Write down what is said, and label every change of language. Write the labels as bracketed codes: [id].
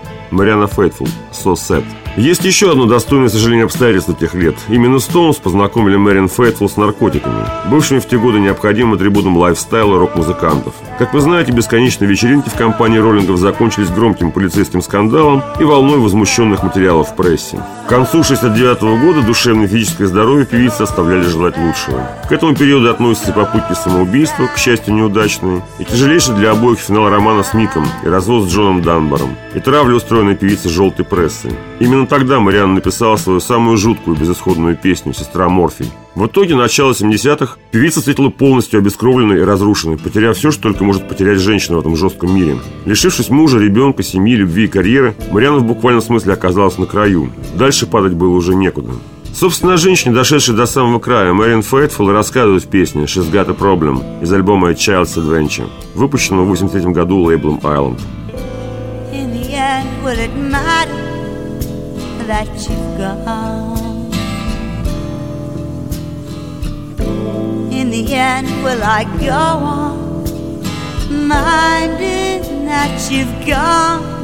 [ru] Мариана Фейтфул, «So Sad». Есть еще одно достойное сожаление обстоятельств тех лет. Именно Стоунс познакомили Мариан Фейтфул с наркотиками, бывшими в те годы необходимым атрибутом лайфстайла рок-музыкантов. Как вы знаете, бесконечные вечеринки в компании роллингов закончились громким полицейским скандалом и волной возмущенных материалов в прессе. К концу 69 года душевное и физическое здоровье певицы оставляли желать лучшего. К этому периоду относятся попытки самоубийства, к счастью, неудачные, и тяжелейший для обоих финал романа с Ником и развод с Джоном Данбаром, и травля, устроенная певицей желтой прессой. Именно тогда Мариана написала свою самую жуткую безысходную песню «Сестра Морфий». В итоге, начало 70-х, певица встретила полностью обескровленной и разрушенной, потеряв все, что только может потерять женщина в этом жестком мире. Лишившись мужа, ребенка, семьи, любви и карьеры, Мариана в буквальном смысле оказалась на краю. Дальше падать было уже некуда. Собственно, о женщине, дошедшей до самого края, Мэриан Фейтфул, рассказывает в песне «She's Got a Problem» из альбома «A Child's Adventure», выпущенного в 83-м году лейблом «Island». [en] In the end, will it matter that you've gone? In the end, will I go on minding that you've gone?